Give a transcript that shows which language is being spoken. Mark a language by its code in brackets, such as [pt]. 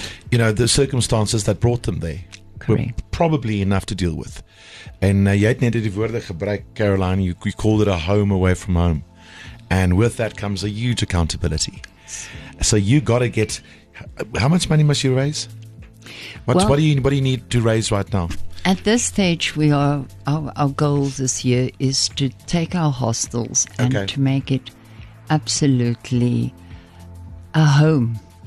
[en] The circumstances that brought them there were probably enough to deal with. [af] And jy het net die woorde gebruik, Caroline. [en] You called it a home away from home. And with that comes a huge accountability. So you got to get... How much money must you raise? What do you need to raise right now? At this stage, our goal this year is to take our hostels and to make it absolutely a home.